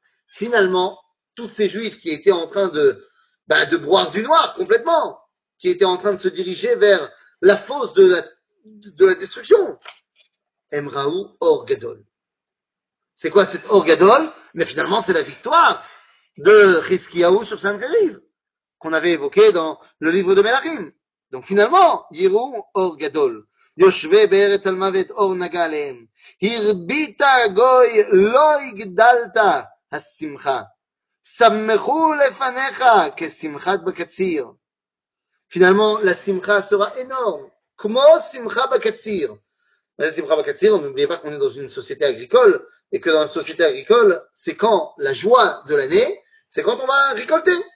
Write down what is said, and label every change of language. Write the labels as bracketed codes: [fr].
[fr] Finalement, tous ces juifs qui étaient en train de boire du noir complètement, qui étaient en train de se diriger vers la fosse de la destruction, Em Raou Or Gadol. C'est quoi cet Or Gadol? Mais finalement, c'est la victoire de Chizkiyahou sur Sanhérib, qu'on avait évoqué dans le livre de Melachim. Donc finalement, Yirou Or Gadol. [he] יושבי בארץ על מוות אור נגע להם. הרבית הגוי, לא הגדלת השמחה. שמחו לפניך כשמחת בקציר. [fr] Finalement, la simcha sera énorme, [he] כמו שמחה בקציר. מה זה שמחה בקציר? [fr] On n'oublie pas qu'on est dans une société agricole, et que dans la société agricole, c'est quand la joie de l'année, c'est quand on va récolter.